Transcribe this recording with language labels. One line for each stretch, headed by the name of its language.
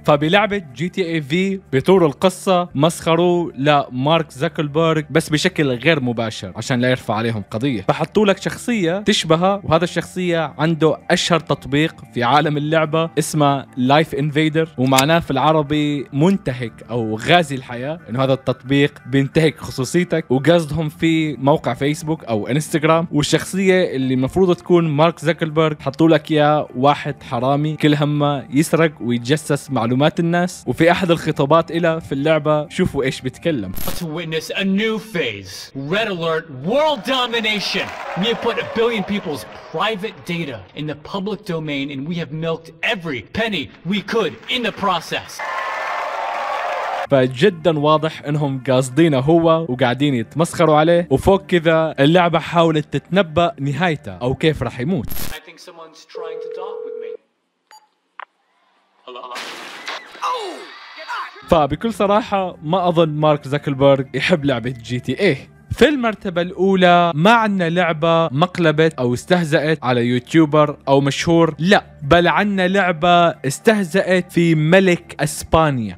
Arabic: فبلعبة GTA V بطور القصة مسخروا لمارك زوكربيرغ بس بشكل غير مباشر عشان لا يرفع عليهم قضية، فحطوا لك شخصية تشبهها، وهذا الشخصية عنده أشهر تطبيق في عالم اللعبة اسمه Life Invader، ومعناه في العربي منتهك أو غازي الحياة، إنه هذا التطبيق بينتهك خصوصيتك، وقصدهم في موقع فيسبوك أو إنستغرام. والشخصية اللي مفروض تكون مارك زوكربيرغ حطوا لك يا واحد حرامي كل همه يسرق ويتجسس معلومات الناس. وفي احد الخطابات إلى في اللعبه شوفوا ايش بيتكلم.
English: To witness a new phase, red alert, world domination. We have put a billion people's private data in the public domain and we have milked every penny we could in the process.
Arabic: فجدا واضح انهم قاصدينه هو وقاعدين يتمسخروا عليه. وفوق كذا اللعبه حاولت تتنبا نهايته او كيف راح يموت.
English: Someone's trying to talk with me. Hello.
Arabic: فبكل صراحة ما أظن مارك زوكربيرغ يحب لعبة GTA. في المرتبة الأولى ما عنا لعبة مقلبت أو استهزأت على يوتيوبر أو مشهور، لا، بل عنا لعبة استهزأت في ملك أسبانيا.